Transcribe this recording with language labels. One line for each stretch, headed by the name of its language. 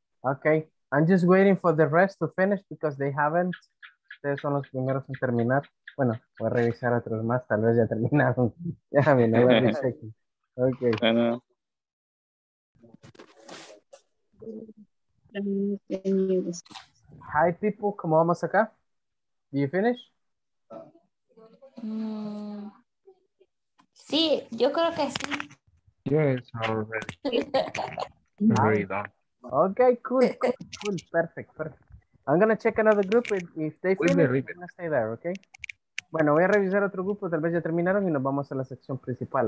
English: Okay, I'm just waiting for the rest to finish because they haven't.
Spanish: Ustedes son los primeros en terminar. Bueno, voy a revisar otros más, tal vez ya terminaron.
English: Ya, yeah, I mean, I will be checking. Okay. I know. Hi, people,
Spanish: ¿cómo vamos acá?
English: Do you finish?
Spanish: Sí, yo creo que sí.
English: Yes, already. Okay, cool, perfect. I'm gonna check another group if they finish. I'm gonna stay there, okay?
Spanish: Bueno, voy a revisar otro grupo, tal vez ya terminaron y nos vamos a la sección principal.